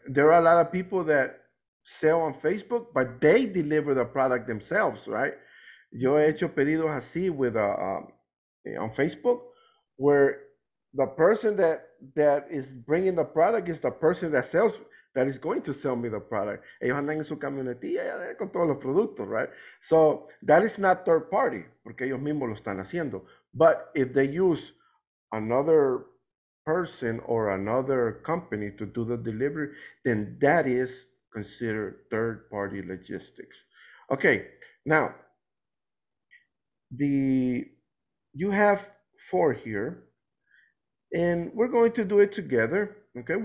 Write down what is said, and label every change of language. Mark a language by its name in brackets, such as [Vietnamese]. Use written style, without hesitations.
[English] There are a lot of people that sell on Facebook, but they deliver the product themselves, right? [Spanish] Yo he hecho pedidos así [English] with on Facebook, where the person that is bringing the product is the person that sells, that is going to sell me the product. [Spanish] Ellos andan en su camionetilla con todos los productos, right? [English] So that is not third party, [Spanish] porque ellos mismos lo están haciendo. [English] But if they use another person or another company to do the delivery, then that is consider third-party logistics. Okay, now, you have four here, and we're going to do it together, okay?